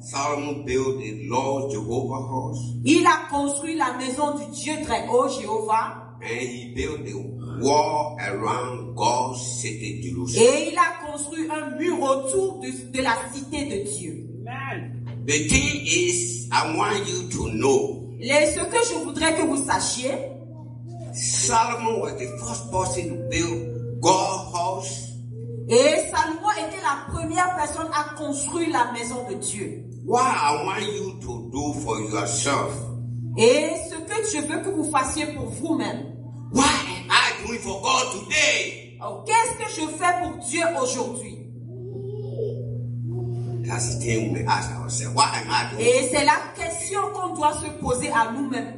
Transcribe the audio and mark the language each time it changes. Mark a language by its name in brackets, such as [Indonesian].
[English] Solomon built the Lord Jehovah's house. [French] Il a construit la maison du Dieu très haut, Jéhovah. [English] And he built the wall around God's city, Jerusalem. [French] Et il a construit un mur autour de la cité de Dieu. [English] The thing is, I want you to know, [French] ce que je voudrais que vous sachiez, [English] Solomon was the first person to build God's house. [French] Et Salomon était la première personne à construire la maison de Dieu. [English] What I want you to do for yourself. [French] Et ce que je veux que vous fassiez pour vous-même. [English] What am I doing for God today? [French] Qu'est-ce que je fais pour Dieu aujourd'hui? [English] That's the thing we ask ourselves. What am I doing? [French] Et c'est la question qu'on doit se poser à nous-mêmes.